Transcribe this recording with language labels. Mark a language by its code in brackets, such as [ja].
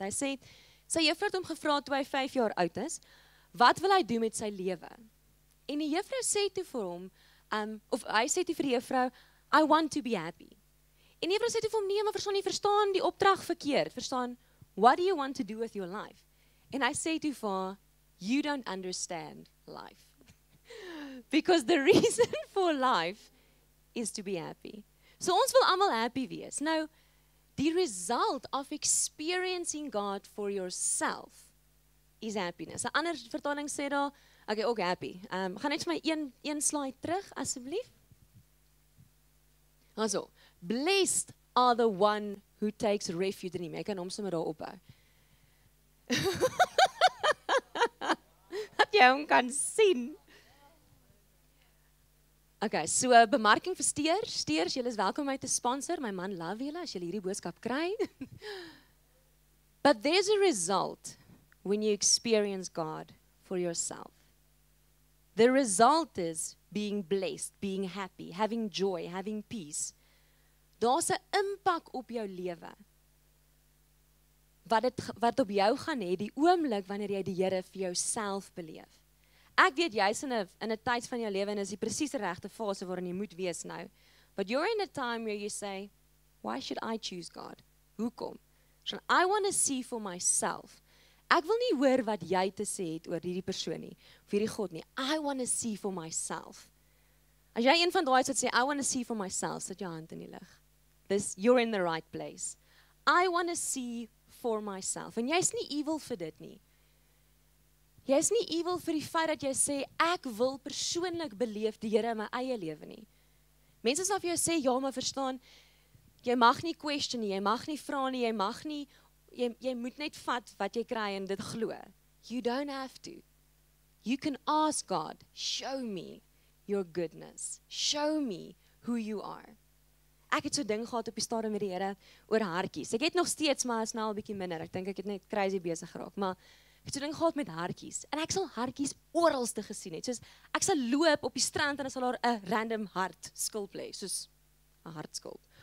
[af] Hy sê, sy juffrou het hom gevra toe hy 5 jaar oud is, wat wil hy doen met sy lewe? En die juffrou sê toe vir hom, of hy sê toe vir die juffrou, [en] I want to be happy. [af] En die juffrou sê toe vir hom, nee, maar verstaan die opdrag verkeerd. [en] Verstaan, what do you want to do with your life? And I say to her, you don't understand life. Because the reason for life is to be happy. [af] So ons wil allemaal happy wees. [en] Nou, the result of experiencing God for yourself is happiness. [af] Een ander vertaling sê daar, okay, ook happy. Ga net maar een slide terug, asseblief. [en] Also, blessed are the one who takes refuge in him. [af] Ek kan hom sommer daar ophou. Dat jy hom kan sien. Okay, so bemarking vir steers. Steers, julle is welkom om my te sponsor. My man love julle as julle hierdie boodskap kry. [en] But there's a result when you experience God for yourself. The result is being blessed, being happy, having joy, having peace. [af] Daar's 'n impak op jou lewe. Wat op jou gaan hê die oomblik wanneer jy die Here vir jouself beleef. Ek weet jy's in 'n tyd van jou lewe en is die presiese regte fase waarin jy moet wees nou. [en] But you're in a time where you say, why should I choose God? Hoekom? So I want to see for myself. [af] Ek wil nie hoor wat jy te sê het oor hierdie persoon nie, of hierdie God nie. [en] I want to see for myself. [af] As jy een van daai is wat sê, [en] I want to see for myself, [af] sit jou hand in die lig. [en] This, you're in the right place. I want to see for myself. [af] En jy is nie evil vir dit nie. Jy is nie evil vir die feit dat jy sê, ek wil persoonlik beleef die Here in my eie lewe nie. Mense sal vir jou sê, ja, maar verstaan, jy mag nie question nie, jy mag nie vra nie, jy mag nie, jy moet net vat wat jy kry en dit glo. [en] You don't have to. You can ask God, show me your goodness. Show me who you are. [af] Ek het so ding gehad op die stadium met die Here oor hartjies. Ek het nog steeds, maar is nou al bietjie minder. Ek dink ek het net crazy besig geraak, maar ek het so ding gehad met hartjies. En ek sal hartjies oralste gesien het. Soos ek sal loop op die strand en dan sal daar 'n random hart skulp lê, soos 'n hartskulp.